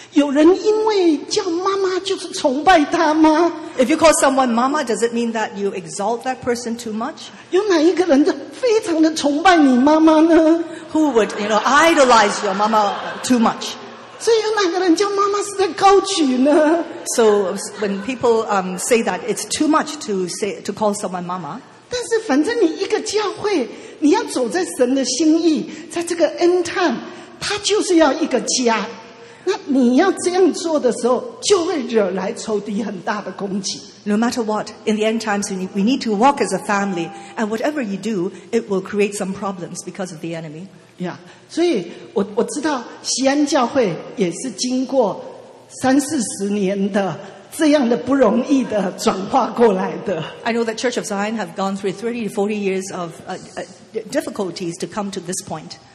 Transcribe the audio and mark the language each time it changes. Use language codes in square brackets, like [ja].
[zh] 有人因为叫妈妈就是崇拜她吗？ [en] If you call someone Mama, does it mean that you exalt that person too much? [zh] 有哪一个人非常的崇拜你妈妈呢？ [en] Who would you know idolize your Mama too much? [zh] 所以有哪个人叫妈妈是在高举呢？ [en] So when people say that it's too much to call someone Mama. [zh] 但是反正你一个教会你要走在神的心意，在这个 end time 他就是要一个家，那你要这样做的时候就会惹来仇敌很大的攻击。 [en] No matter what, in the end times we need to walk as a family, and whatever you do it will create some problems because of the enemy. [zh] Yeah, 所以 我知道西安教会也是经过三四十年的这样的不容易的转化过来的。 [en] I know that Church of Zion have gone through 30 to 40 years of difficulties to come to this point.